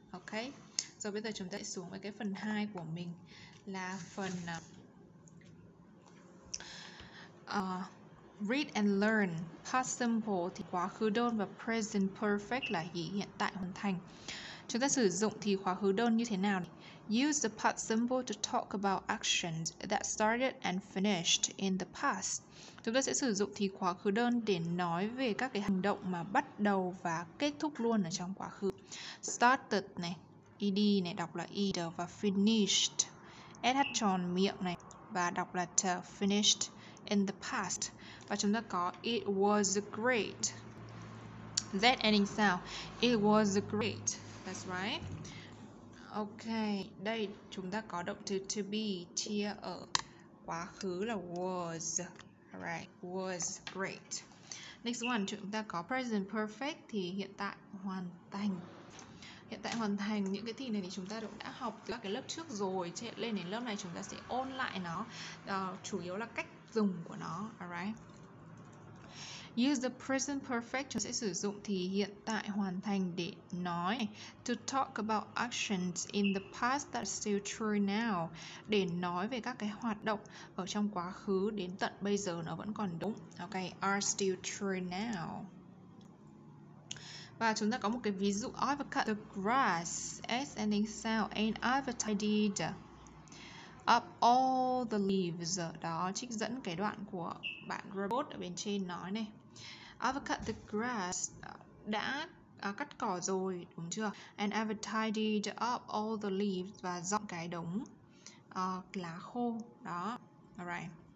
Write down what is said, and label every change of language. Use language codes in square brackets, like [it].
[vi] Ok, rồi bây giờ chúng ta sẽ xuống với cái phần 2 của mình là phần read and learn. Past simple thì quá khứ đơn và present perfect là hiện tại hoàn thành. Chúng ta sử dụng thì khóa khứ đơn như thế nào? [en] Use the past simple to talk about actions that started and finished in the past. [vi] Chúng ta sẽ sử dụng thì khóa khứ đơn để nói về các cái hành động mà bắt đầu và kết thúc luôn ở trong quá khứ. Started này, ed này đọc là ed và finished. SH tròn miệng này và đọc là t, [en] finished in the past. [vi] Và chúng ta có [en] it was great. Z ending sound, it was great. That's right. [vi] Ok, đây chúng ta có động từ to be chia ở quá khứ là was. [en] Alright, was great. Next one, [vi] chúng ta có present perfect thì hiện tại hoàn thành. Hiện tại hoàn thành, những cái thì này thì chúng ta cũng đã học từ các cái lớp trước rồi. Chứ lên đến lớp này chúng ta sẽ ôn lại nó, chủ yếu là cách dùng của nó. Alright. [en] Use the present perfect, [vi] chúng ta sẽ sử dụng thì hiện tại hoàn thành để nói. [en] To talk about actions in the past that are still true now. [vi] Để nói về các cái hoạt động ở trong quá khứ đến tận bây giờ nó vẫn còn đúng. [en] Ok, are still true now. [vi] Và chúng ta có một cái ví dụ. [en] I've cut the grass, S ending sound, and I've tidied up all the leaves. [vi] Đó, trích dẫn cái đoạn của bạn robot ở bên trên nói này. [en] I've cut the grass, [vi] đã cắt cỏ rồi, đúng chưa? [en] And I've tidied up all the leaves, [vi] và dọn cái đống lá khô, đó, alright.